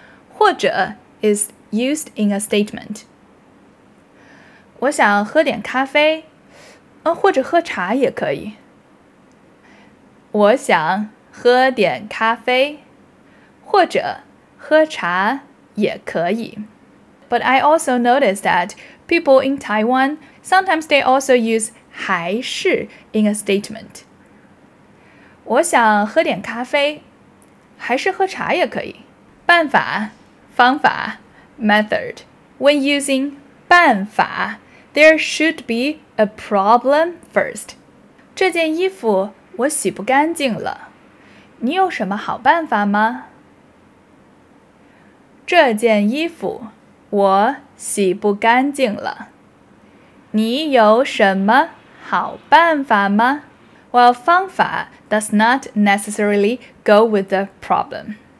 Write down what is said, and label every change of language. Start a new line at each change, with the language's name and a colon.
English: 或者 is used in a statement.
Chinese: 我想喝点咖啡，或者喝茶也可以。我想喝点咖啡，或者喝茶也可以。
English: But I also noticed that people in Taiwan, sometimes they also use 还是 in a statement.
Chinese: 我想喝点咖啡，还是喝茶也可以。
English: 办法，方法 ,method. When using 办法, there should be a problem first.
Chinese: 这件衣服我洗不干净了。你有什么好办法吗？这件衣服我洗不干净了。你有什么好办法吗？
English: Well, 方法 does not necessarily go with the problem.